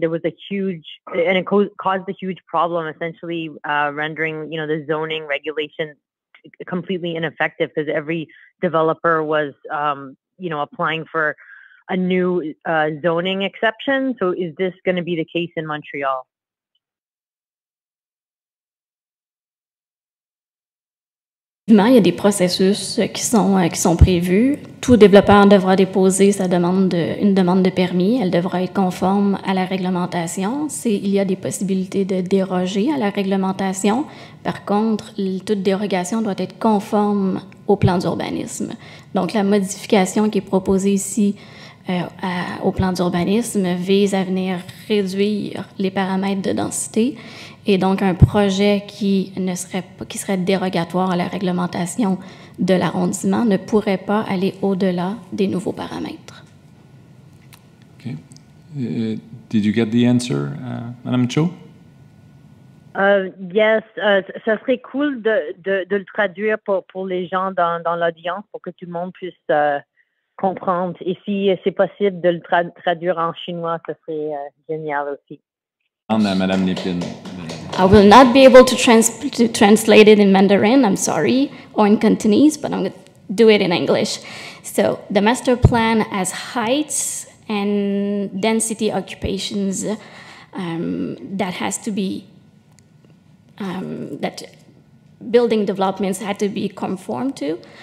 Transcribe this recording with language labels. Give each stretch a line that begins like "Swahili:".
English: There was a huge, and it caused a huge problem, essentially rendering, you know, the zoning regulation completely ineffective because every developer was, you know, applying for a new zoning exception. So is this going to be the case in Montreal?
French: Il y a des processus qui sont prévus. Tout développeur devra déposer sa demande de, une demande de permis. Elle devra être conforme à la réglementation. Il y a des possibilités de déroger à la réglementation. Par contre, toute dérogation doit être conforme au plan d'urbanisme. Donc, la modification qui est proposée ici au plan d'urbanisme vise à venir réduire les paramètres de densité. Et donc, un projet qui ne serait pas, qui serait dérogatoire à la réglementation de l'arrondissement ne pourrait pas aller au-delà des nouveaux paramètres.
English: OK. Did you get the answer, Madame Cho? Yes.
French: Ça serait cool de le traduire pour les gens dans l'audience pour que tout le monde puisse comprendre. Et si c'est possible de le traduire en chinois, ça serait génial aussi. Madame Lépin.
English: I will not be able to translate it in Mandarin, I'm sorry, or in Cantonese, but I'm going to do it in English. So, the master plan has heights and density occupations that has to be, that building developments had to be conformed to.